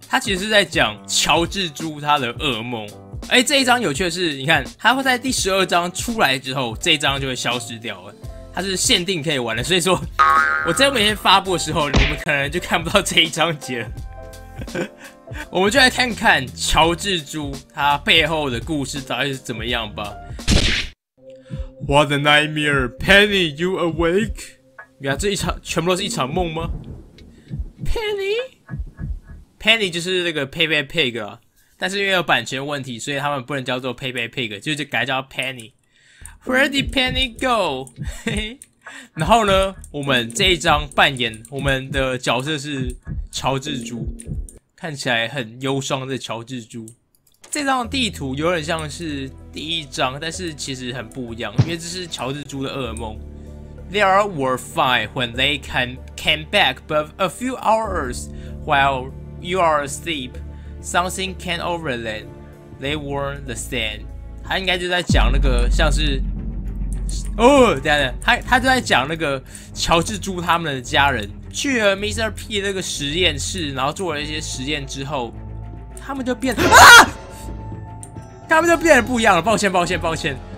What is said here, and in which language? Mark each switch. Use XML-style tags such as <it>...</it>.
<zh>它其实是在讲乔治猪他的噩梦。哎，这一章有趣的是，你看它会在第十二章出来之后，这一章就会消失掉了。它是限定可以玩的，所以说我在每天发布的时候，你们可能就看不到这一章节了。我们就来看看乔治猪他背后的故事到底是怎么样吧。</zh> <en>What a nightmare, Penny, you awake?</en> <zh>原来这一场全部都是一场梦吗？</zh> <en>Penny?</en> <zh>Penny 就是那个 Pepe Pig 啊，但是因为有版权问题，所以他们不能叫做 Pepe Pig， 就改叫 Penny。</zh> <en>Where did Penny go?</en> <zh>然后呢，我们这一章扮演我们的角色是乔治猪，看起来很忧伤的乔治猪。这张地图有点像是第一张，但是其实很不一样，因为这是乔治猪的噩梦。</zh> <en>They were fine when they came back, but a few hours while you are asleep, something came over them. They weren't the same.</en> <zh>他应该就在讲那个像是，哦，等等，他就在讲那个乔治猪他们的家人去了 Mr. P 那个实验室，然后做了一些实验之后，他们就变啊！他们就变得不一样了。抱歉，抱歉，抱歉。</zh>